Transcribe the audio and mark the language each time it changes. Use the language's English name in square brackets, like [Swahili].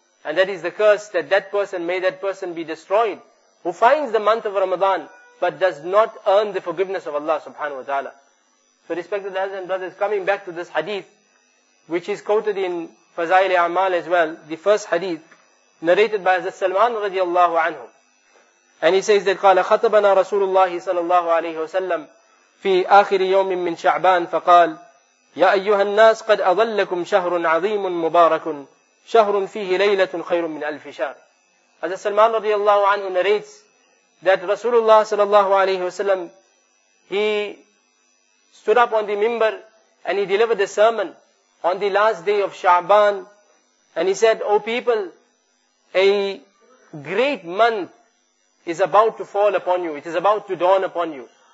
[English] And that is the curse, that that person, may that person be destroyed, who finds the month of Ramadan, but does not earn the forgiveness of Allah subhanahu wa ta'ala. So respected brothers and brothers, coming back to this hadith, which is quoted in Fazail al-A'mal as well, the first hadith, narrated by Hazrat Salman radiallahu anhu. And he says that, [Arabic] قَالَ خَطَبَنَا رَسُولُ اللَّهِ صَلَى اللَّهُ عَلَيْهُ وَسَلَّمْ فِي آخِرِ يَوْمٍ مِّن شَعْبَانٍ فَقَالْ يَا أَيُّهَا النَّاسِ قَدْ أَضَلَّكُمْ شَهْرٌ عَظِيمٌ مُبَارَكٌ شَهْرٌ فِيهِ لَيْلَةٌ خَيْرٌ مِّنْ أَلْفِ شَهْرٍ. [English] Hazrat Salman radiallahu anhu narrates that Rasulullah sallallahu alayhi wa sallam, he stood up on the minbar and he delivered a sermon on the last day of Sha'ban, and he said, O people, a great month is about to fall upon you. It is about to dawn upon you.